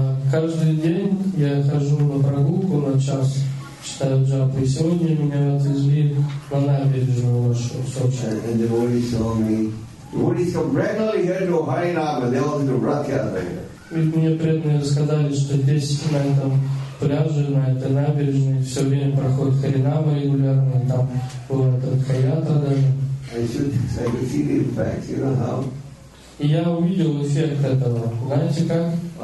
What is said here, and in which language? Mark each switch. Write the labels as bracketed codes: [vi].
[ru] Каждый день я хожу на прогулку на час, читаю джапу. И сегодня меня отвезли на набережную вашу, в Сочи. [en] Devotees come regularly here to Harinam and they all do Rath Yatra here. [ru] Мне преданные сказали, что здесь, на этом пляже, на этой набережной, все время проходит Харинама регулярно, и там бывает Ратха Ятра даже. И я увидел эффект этого. Знаете как?